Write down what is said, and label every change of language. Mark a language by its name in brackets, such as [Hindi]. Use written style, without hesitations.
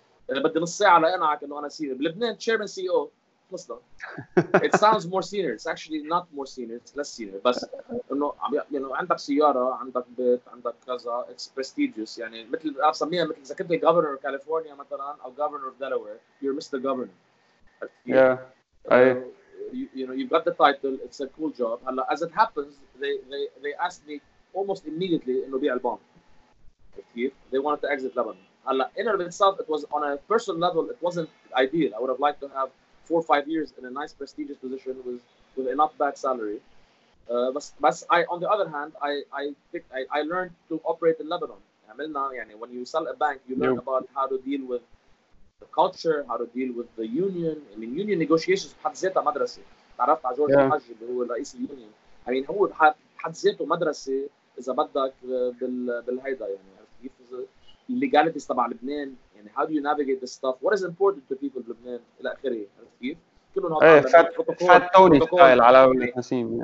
[Arabic] بدي نص ساعه لاقنعك انه انا سينيور بلبنان. [English] chairman ceo خلصنا. it sounds more senior, it's actually not more senior, it's less senior. [Arabic] بس انه يعني عندك سياره عندك بيت عندك كذا [English] it's prestigious. [Arabic] يعني مثل بسميها مثل اذا كنت [English] governor of california مثلا او governor of delaware you're mr governor. You know you've got the title, it's a cool job. هلا as it happens they asked me almost immediately [Arabic] انه بيع البنك. [English] كيف they wanted to exit Lebanon. هلا in and of itself it was on a personal level it wasn't ideal. I would have liked to have 4 or 5 years in a nice prestigious position with enough back salary. بس I on the other hand I learned to operate in Lebanon. [Arabic] عملنا يعني [English] when you sell a bank you learn about how to deal with the culture, how to deal with the union. I mean, union negotiations [Arabic] بحد ذاته مدرسة. تعرفت على جورج الحج اللي هو رئيس اليونيون. [English] I mean, [Arabic] هو بحد ذاته مدرسة إذا بدك بالهيدا يعني. عرفت كيف؟ الليجاليتيز تبع لبنان. يعني أنا [English] يعني how do you navigate this stuff, what is important to people in Lebanon [Arabic] الى اخره, عرفت كيف؟ كلهم هذا بروتوكول على نسيم